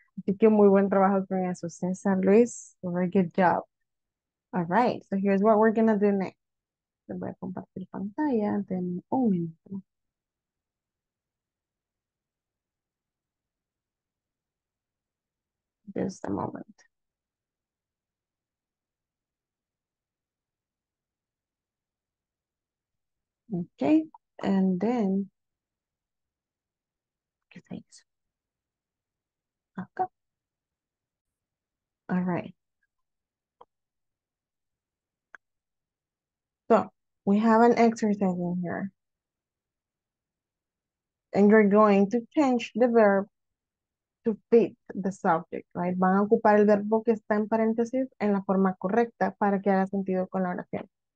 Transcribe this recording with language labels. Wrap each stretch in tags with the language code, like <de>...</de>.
<es>Así que muy buen trabajo con eso, César, Luis.</es> <en>Very good job. All right, so here's what we're going to do next.</en> <es>Les voy a compartir pantalla, denme un minuto.</es> <en>Just a moment. Okay, and then okay, thanks. Okay. All right. So we have an exercise in here. And you're going to change the verb to fit the subject, right?</en> <es>Van a ocupar el verbo que está en paréntesis en la forma correcta para que haga sentido con la oración.</es>